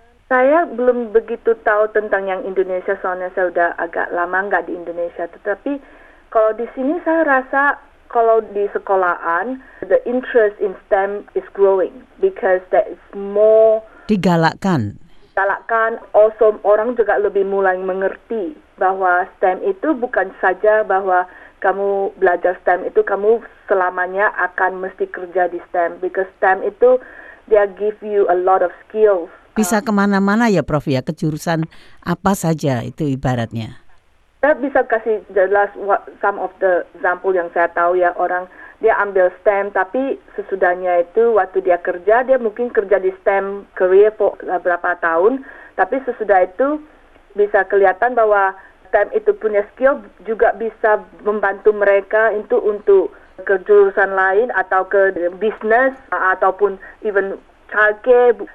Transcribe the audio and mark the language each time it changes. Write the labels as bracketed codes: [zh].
[id] Saya belum begitu tahu tentang yang Indonesia, soalnya saya sudah agak lama nggak di Indonesia, tetapi kalau di sini saya rasa kalau di sekolahan, [en] the interest in STEM is growing because there is more... [id] Digalakkan, also orang juga lebih mulai mengerti bahwa STEM itu bukan saja bahwa kamu belajar STEM itu, kamu selamanya akan mesti kerja di STEM. [en] Because STEM itu, they give you a lot of skills. [id] Bisa kemana-mana ya Prof ya, ke jurusan apa saja itu ibaratnya. Saya bisa kasih jelas [en] some of the example [id] yang saya tahu ya, orang dia ambil STEM tapi sesudahnya itu waktu dia kerja, dia mungkin kerja di STEM career for berapa tahun, tapi sesudah itu bisa kelihatan bahwa STEM itu punya skill juga bisa membantu mereka itu untuk ke jurusan lain atau ke bisnis ataupun [en] even childcare.